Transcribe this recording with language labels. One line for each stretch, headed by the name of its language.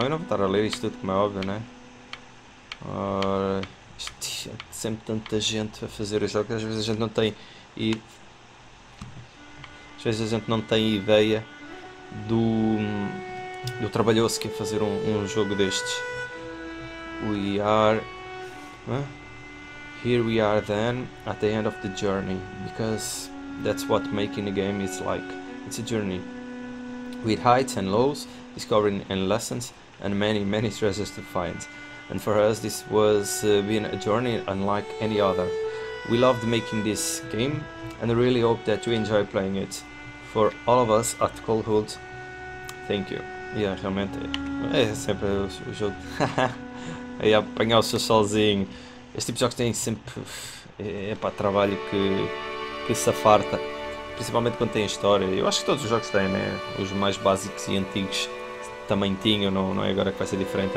Portuguese: Eu não vou estar a ler isto tudo, como é óbvio, né? Ora, isto, sempre tanta gente a fazer o jogo que às vezes a gente não tem. E. Às vezes a gente não tem ideia do trabalhoso que é fazer um jogo destes.
English: We are. Here we are then, at the end of the journey. Because that's what making a game is like. It's a journey. With heights and lows, discovering and lessons, and many, many treasures to find. And for us, this was been a journey unlike any other. We loved making this game, and I really hope that you enjoy playing it. For all of us at Colhood, thank you.
Portuguese: Yeah, realmente é sempre o jogo. Aí apanhar o seu solzinho. Este tipo de jogos tem sempre, epá, trabalho que se afarta. Principalmente quando tem história. Eu acho que todos os jogos têm, né? Os mais básicos e antigos também tinham, não é agora que vai ser diferente.